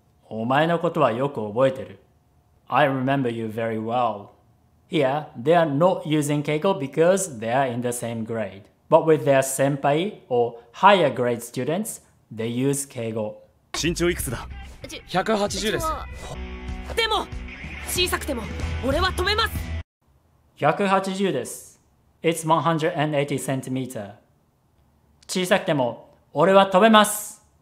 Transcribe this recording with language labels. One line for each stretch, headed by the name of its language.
Japanese: お前のことはよく覚えてる.
English: I remember you very well. Here, they are not using keigo because they are in the same grade. But with their senpai or higher grade students, they use keigo.
Japanese: 身長いくつだ? 180 です。でも、 小さくても、 俺は止めます。 180 です。
English: It's 180 centimeter.
Japanese: 小さくても、 俺は飛べます。